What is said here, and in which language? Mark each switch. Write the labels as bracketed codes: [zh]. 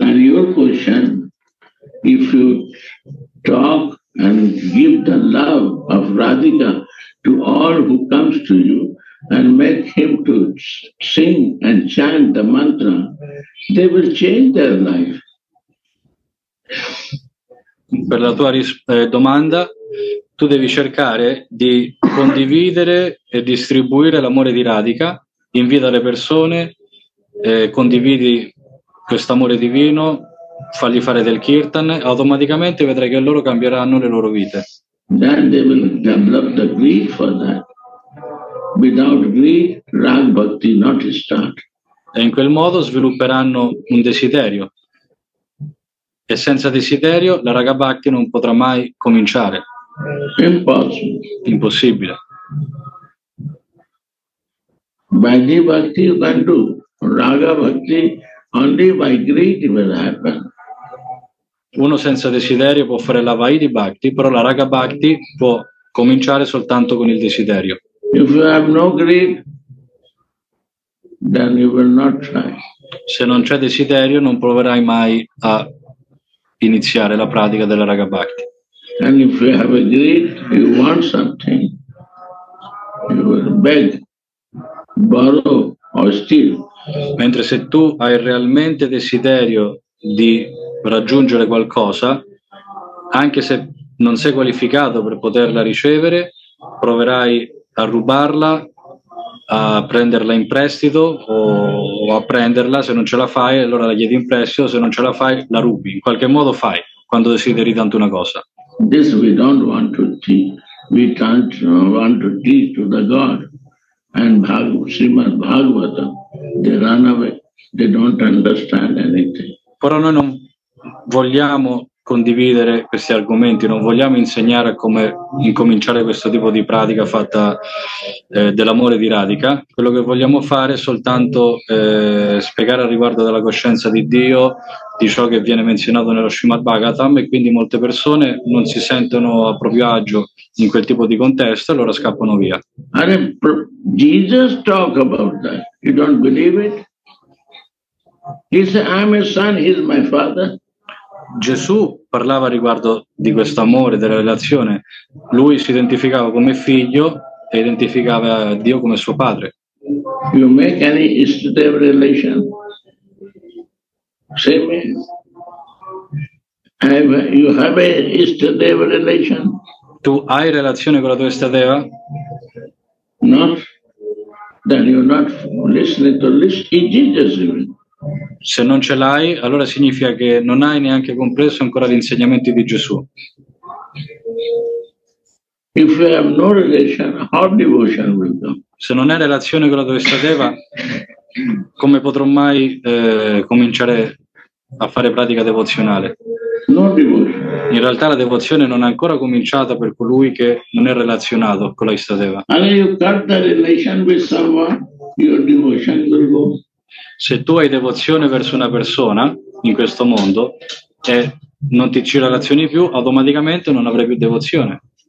[en] And your question, if you talk and give the love of Radhika to all who comes to you and make him to sing and chant the mantra, they will change their life. [it] Per la tua domanda, tu devi cercare di condividere e distribuire l'amore di Radhika, invita le persone, condividi questo amore divino, fagli fare del kirtan, automaticamente vedrai che loro cambieranno le loro vite. [en] Then they will develop the greed for that. Without greed, rag bhakti not start. [it] E in quel modo svilupperanno un desiderio. E senza desiderio la raga bhakti non potrà mai cominciare. Impossibile. [en] Bhakti bhakti you can do. Raga bhakti only by greed will happen. [it] Uno senza desiderio può fare la vaidhi bhakti, però la raga bhakti può cominciare soltanto con il desiderio. [en] If you have no greed, then you will not try. [it] Se non c'è desiderio, non proverai mai a iniziare la pratica della raga bhakti. [en] And if you have a greed, you want something, you will beg, borrow or steal. [it] Mentre se tu hai realmente desiderio di raggiungere qualcosa, anche se non sei qualificato per poterla ricevere, proverai a rubarla, a prenderla in prestito o a prenderla. Se non ce la fai, allora la chiedi in prestito. Se non ce la fai, la rubi. In qualche modo fai quando desideri tanto una cosa. [en] This we don't want to teach. We don't want to teach to the God and Srimad Bhagavatam. They run away. They don't understand anything. [it] Però noi non vogliamo condividere questi argomenti, non vogliamo insegnare come incominciare questo tipo di pratica fatta dell'amore di Radhika. Quello che vogliamo fare è soltanto spiegare al riguardo della coscienza di Dio, di ciò che viene menzionato nello Srimad Bhagavatam, e quindi molte persone non si sentono a proprio agio in quel tipo di contesto e allora scappano via. [en] Jesus talk about that. You don't believe it? He said, I'm a son, he's my father. [it] Gesù parlava riguardo di questo amore, della relazione. Lui si identificava come figlio e identificava Dio come suo padre. [en] You make any istadeva relation? Same. You have a istadeva relation? [it] Tu hai relazione con la tua istadeva? [en] No. Then you're not listening to listen to Jesus even. [it] Se non ce l'hai, allora significa che non hai neanche compreso ancora gli insegnamenti di Gesù. [en] If you have no relation, how devotion will do? [it] Se non hai relazione con la tua istadeva, come potrò mai cominciare a fare pratica devozionale? [en] No devotion. [it] In realtà la devozione non è ancora cominciata per colui che non è relazionato con la istadeva. [en] And you cut the relation with someone, your devotion will go. [it] Se tu hai devozione verso una persona in questo mondo e non ti ci relazioni più, automaticamente non avrai più devozione.